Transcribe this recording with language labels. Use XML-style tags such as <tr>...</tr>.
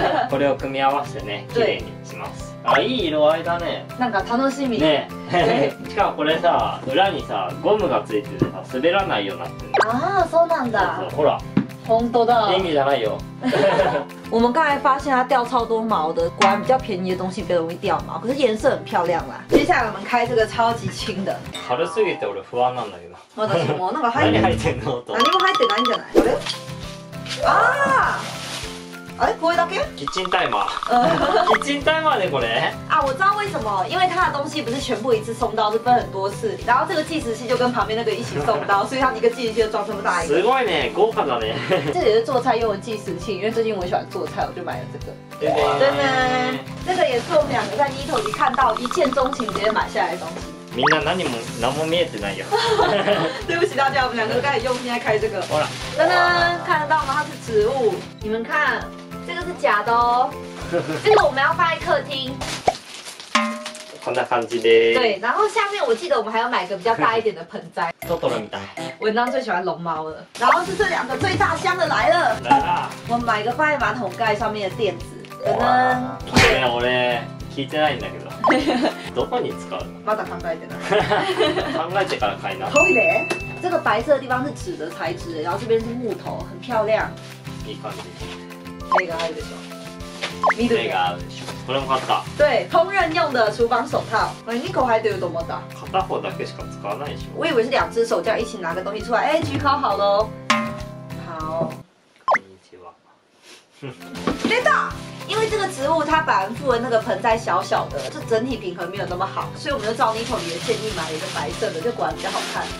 <ja>これを組み合わせてね、綺麗にします。あ、いい色合いだね。なんか楽しみ。ね。しかもこれさ、裏にさ、ゴムがついててさ、滑らないようになってる。ああ、そうなんだ。ほら。本当的。便宜じゃないよ。</ja> <zh>我们刚才发现它掉超多毛的，果然比较便宜的东西比较容易掉毛，可是颜色很漂亮啦。接下来我们开这个超级轻的。</zh> <ja>軽すぎて俺不安なんだけど。まだ</ja> <zh>什么？</zh> <ja>なんか入ってる。何入ってんの？何も入ってないんじゃない？あれ？ああ。あれこれだけ？キッチンタイマー。キッチンタイマーでこれ？</ja> <zh>啊，我知道为什么，因为他的东西不是全部一次送到，是分很多次，然后这个计时器就跟旁边那个一起送到，所以他一个计时器就装这么大一个。</zh> <ja>すごいね、豪華だね。</ja> <zh>这也是做菜用的计时器，因为最近我喜欢做菜，我就买了这个。真的？这个也是我们两个在Nito里看到一见钟情直接买下来的东西。</zh> <ja>みんな何も見えてないよ。</ja> <zh>对不起大家，我们两个刚才用心在开这个。</zh> <ja>ほら。</ja> <zh>噔噔，看得到吗？它是植物，你们看。这个是假的哦，这个我们要放在客厅。</zh> <ja>こんな感じで。</ja> <zh>对，然后下面我记得我们还要买个比较大一点的盆栽。</zh> <ja>トトロみたい。</ja> <zh>文章最喜欢龙猫了。然后是这两个最大箱的来了。来了。我们买个放在马桶盖上面的垫子。噔噔。</zh> <ja>我呢，聞いてないんだけど。どこに使う？まだ考えてない。考えてから買いな。トイレ？这个白色的地方是纸的材质，然后这边是木头，很漂亮。いい感じ。目が合うでしょ。目が合うでしょ。これも買った。</ja> <zh>对，烹饪用的厨房手套。</zh> <ja>え、二個入ってると思った。片方だけしか使わないでしょ。</ja> <zh>我以为是两只手，这样一起拿个东西出来。哎，举好好喽。好。</zh> <ja>こんにちは。出た。</ja> <zh>因为这个植物它本来附的那个盆栽小小的，这整体平衡没有那么好，所以我们就照妮蔻你的建议买了一个白色的，就果然比较好看。</zh>